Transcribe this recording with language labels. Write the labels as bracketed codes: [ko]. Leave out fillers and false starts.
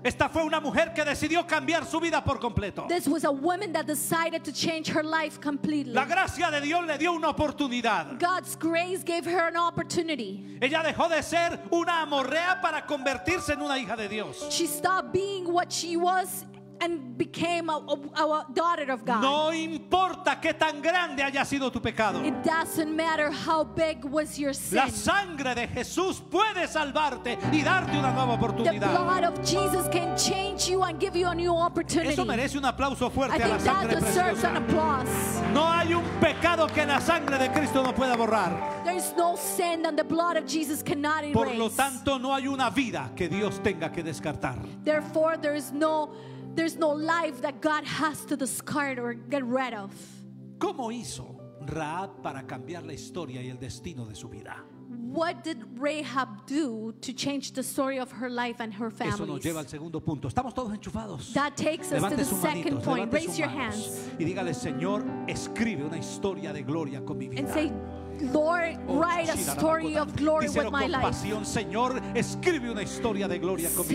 [es] Esta fue una mujer que decidió cambiar su vida por completo. [en] This was a woman that decided to change her life completely. [es] La gracia de Dios le dio una oportunidad. [en] God's grace gave her an opportunity. [es] Ella dejó de ser una amorrea para convertirse en una hija de Dios. [en] She stopped being what she was and became a daughter of God. [es] No importa qué tan grande haya sido tu pecado. [en] It doesn't matter how big was your sin. [es] La sangre de Jesús puede salvarte y darte una nueva oportunidad. [en] The blood of Jesus can change you and give you a new opportunity. [es] Eso merece un aplauso fuerte a la sangre preciosa. [en] I think that deserves an applause. [es] No hay un pecado que la sangre de Cristo no pueda borrar. [en] There is no sin that the blood of Jesus cannot erase. [es] Por lo tanto, no hay una vida que Dios tenga que descartar. [en] Therefore, there's no life that God has to discard or get rid of. [es] ¿Cómo hizo Rahab para cambiar la historia y el destino de su vida? [en] What did Rahab do to change the story of her life and her family? [es] Eso nos lleva al segundo punto. Estamos todos enchufados. [en] That takes us to the second point. Raise your hands. [es] Y dígale, Señor, escribe una historia de gloria con mi vida. [en] And say, Lord, write a story of glory with my life. [es] Pasión, Señor, escribe una historia de gloria con mi